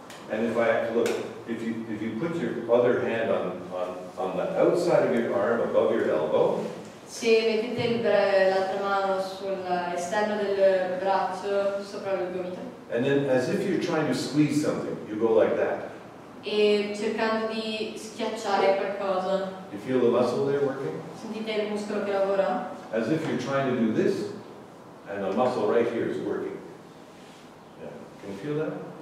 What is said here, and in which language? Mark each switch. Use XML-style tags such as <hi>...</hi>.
<en>And if I look, if you put your other hand on the outside of your arm above your elbow.</en> <it>Se mettete l'altra mano sull'esterno del braccio sopra il gomito.</it> <en>And then, as if you're trying to squeeze something, you go like that.</en> <it>E cercando di schiacciare qualcosa.</it> <en>You feel the muscle there working?</en> <it>Sentite il muscolo che lavora?</it> <en>As if you're trying to do this, and the muscle right here is working. Yeah, can you feel that?</en>